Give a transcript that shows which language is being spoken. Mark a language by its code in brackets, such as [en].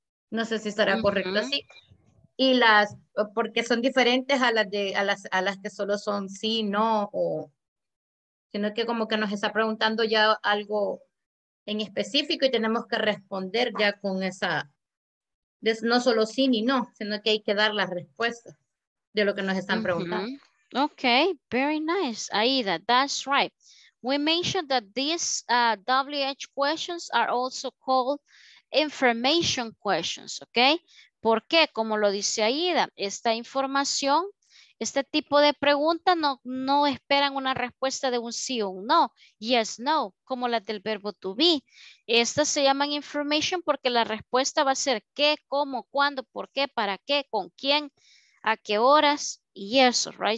[es] No sé si estará correcto así. Y las, porque son diferentes a las, a las que solo son sí, no, o, sino que como que nos está preguntando ya algo en específico y tenemos que responder ya con esa. No solo sí ni no, sino que hay que dar las respuestas de lo que nos están preguntando. [en] Okay, very nice, Aida, that's right. We mentioned that these WH questions are also called information questions, ¿ok? [es] ¿Por qué? Como lo dice Aida, esta información, este tipo de preguntas no esperan una respuesta de un sí o un no, yes, no, como las del verbo to be. Estas se llaman information porque la respuesta va a ser qué, cómo, cuándo, por qué, para qué, con quién, a qué horas, y eso, right?